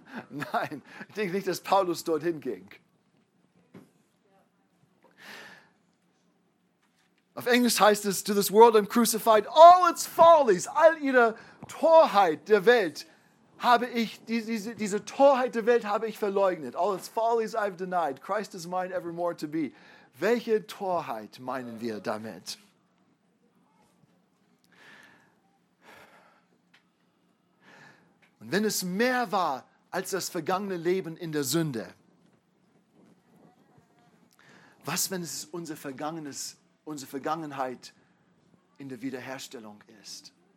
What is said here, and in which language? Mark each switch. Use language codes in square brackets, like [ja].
[de] Nein, ich denke nicht, dass Paulus dorthin ging. Auf Englisch heißt es, [en] to this world I'm crucified, all its follies, [de] all ihre Torheit der Welt, habe ich diese Torheit der Welt habe ich verleugnet. [en] All its follies I've denied. Christ is mine evermore to be. [de] Welche Torheit meinen wir damit? Und wenn es mehr war als das vergangene Leben in der Sünde, was, wenn es unser Vergangenes, unsere Vergangenheit in der Wiederherstellung ist?